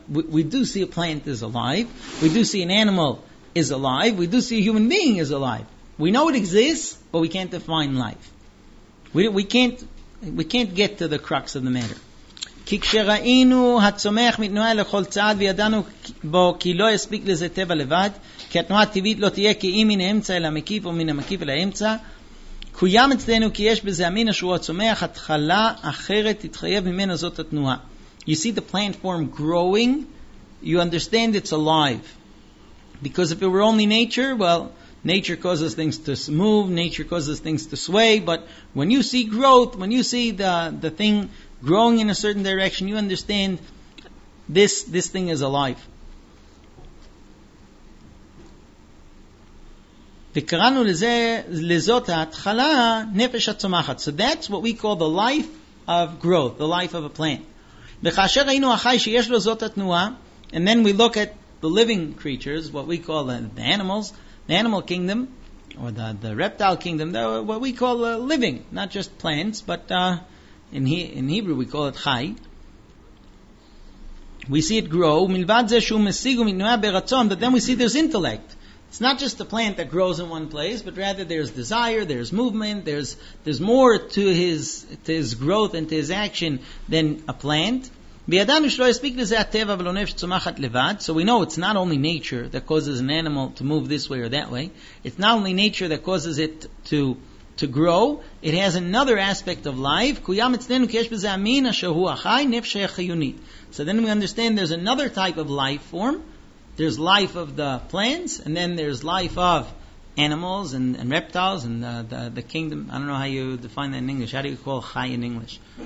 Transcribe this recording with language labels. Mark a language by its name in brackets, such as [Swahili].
[English] We do see a plant is alive. We do see an animal is alive. We do see a human being is alive. We know it exists, but we can't define life. We can't get to the crux of the matter. [Hebrew] כי כשראינו הצומח מתנועה לכל צעד וידענו בו כי לא יספיק לזה טבע לבד, כי התנועה הטבעית לא תהיה כי אם מן האמצע אל המקיף או מן המקיף אל האמצע, קוים אצלנו כי יש בזה המין אשור הצומח, התחלה אחרת תתחייב ממנה זאת התנועה. [English] You see the plant form growing, you understand it's alive. Because if it were only nature, well, nature causes things to move, nature causes things to sway, but when you see growth, when you see the thing growing in a certain direction, you understand this thing is alive. [Hebrew] וקראנו לזאת ההתחלה נפש הצומחת. [English] So that's what we call the life of growth, the life of a plant. [Hebrew] וכאשר ראינו החי שיש לו זאת התנועה, [English] and then we look at the living creatures, what we call the animals, the animal kingdom, or the reptile kingdom, what we call living, not just plants, but in Hebrew we call it chai. We see it grow, [Hebrew] מלבד זה שהוא משיג ומתנועה ברצון, [English] but then we see there's intellect. It's not just a plant that grows in one place, but rather there's desire, there's movement, there's more to his growth and to his action than a plant. [Hebrew] בידענו שלא יספיק לזה הטבע ולא נפש צומחת לבד. [English] So we know it's not only nature that causes an animal to move this way or that way. It's not only nature that causes it to grow. It has another aspect of life. [Hebrew] קוים אצלנו כי יש בזה המין אשר הוא החי, נפש החיונית. [English] So then we understand there's another type of life form. There's life of the plants, and then there's life of animals and reptiles and the kingdom. I don't know how you define that in English. How do you call chai in English?